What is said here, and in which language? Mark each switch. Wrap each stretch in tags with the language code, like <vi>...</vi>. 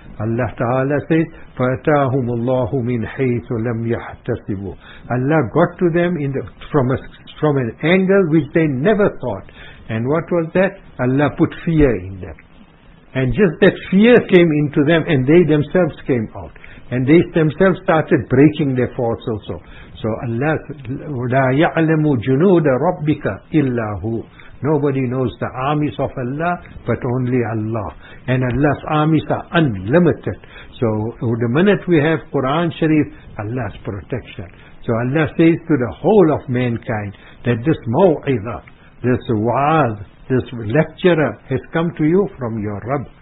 <en>Allah Ta'ala says,</en> <ar>فَأَتَاهُمُ اللَّهُ مِنْ حَيْثُ لَمْ يَحْتَسِبُوا.</ar> <en>Allah got to them in from an angle which they never thought. And what was that? Allah put fear in them. And just that fear came into them and they themselves came out. And they themselves started breaking their forts also. So Allah,</en> <ar>لَا يَعْلَمُ جُنُودَ رَبِّكَ إِلَّا هُوَ.</ar> <en>Nobody knows the armies of Allah but only Allah. And Allah's armies are unlimited. So the minute we have Quran Sharif, Allah's protection. So Allah says to the whole of mankind that this maw'idah, this wa'ad, this lecturer has come to you from your Rabb.</en>